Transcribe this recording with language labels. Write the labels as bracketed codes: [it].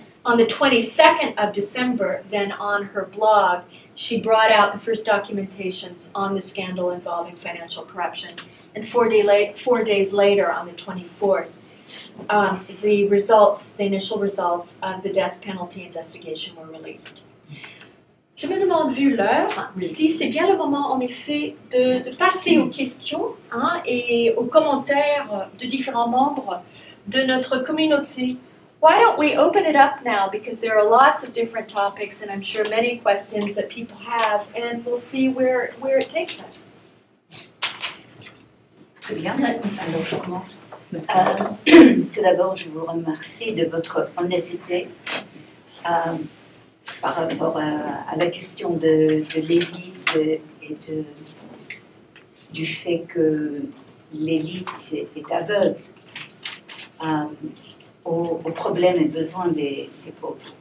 [en] On the 22nd of December, then on her blog, she brought out the first documentations on the scandal involving financial corruption. And four days later, on the 24th, the initial results of the death penalty investigation were released. [fr] Je me demande, vu l'heure, si c'est bien le moment, en effet, de passer aux questions hein, et aux commentaires de différents membres de notre communauté. [en] Why don't we open it up now, because there are lots of different topics and I'm sure many questions that people have, and we'll see where it takes us. [fr] Très bien, alors je commence. Tout d'abord, je vous remercie de votre honnêteté. Par rapport à la question de l'élite et du fait que l'élite est aveugle aux problèmes et besoins des pauvres.